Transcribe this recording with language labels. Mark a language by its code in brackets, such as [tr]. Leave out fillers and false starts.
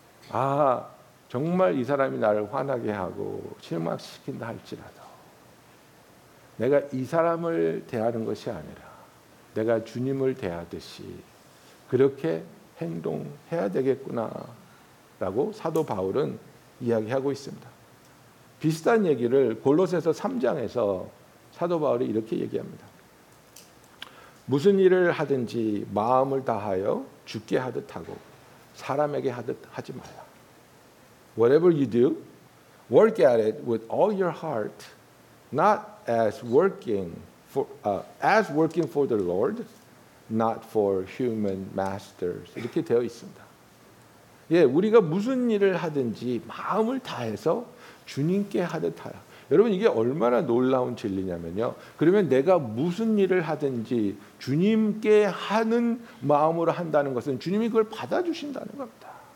[ko] 아, 정말 이 사람이 나를 화나게 하고 실망시킨다 할지라도 내가 이 사람을 대하는 것이 아니라 내가 주님을 대하듯이 그렇게 행동해야 되겠구나 라고 사도 바울은 이야기하고 있습니다. 비슷한 얘기를 골로새서 3장에서 사도 바울이 이렇게 얘기합니다. 무슨 일을 하든지 마음을 다하여 주께 하듯 하고 사람에게 하듯 하지 말라. [en] Whatever you do, work at it with all your heart, not as working for the Lord, not for human masters. [ko] 이렇게 되어 있습니다. 예, 우리가 무슨 일을 하든지 마음을 다해서 주님께 하듯 하라. 여러분 이게 얼마나 놀라운 진리냐면요. 그러면 내가 무슨 일을 하든지 주님께 하는 마음으로 한다는 것은 주님이 그걸 받아주신다는 겁니다.